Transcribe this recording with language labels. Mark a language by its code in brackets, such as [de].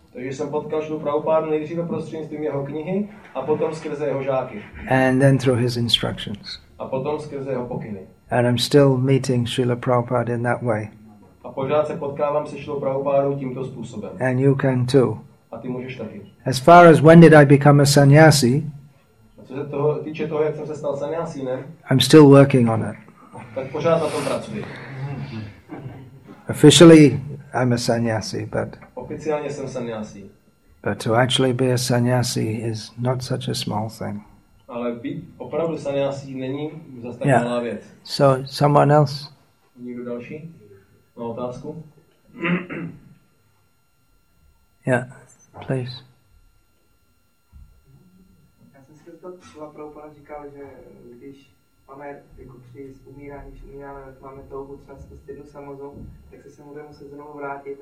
[cs] Takže jsem potkal Srila Prabhupada nejdříve prostřednictvím jeho knihy a potom skrze jeho žáky. [en] And then through his instructions. [cs] A potom skrze jeho pokyny. [en] And I'm still meeting Srila Prabhupada in that way. [cs] A pořád se potkávám se Srila Prabhupádou tímto způsobem. [en] And you can too. [cs] A ty můžeš taky. [en] As far as when did I become a sannyasi? [cs] Co se toho, týče toho, jak jsem se stal sannyasínem, [en] I'm still working on it. [cs] Tak pořád na tom pracuji. [en] Officially, I'm a sannyasi, but... [cs] Oficiálně jsem sannyasi. [en] But to actually be a sannyasi is not such a small thing. [cs] Ale být opravdu sannyasi není zase tak malá věc. [en] So, someone else? [cs] Někdo další? Má otázku? [en] Yeah, please. [cs] Srila Prabhupada říkal, že když máme jako při umírání, když umíráme, máme touhu třeba zkusit jednu samozou, tak se mu bude muset znovu vrátit.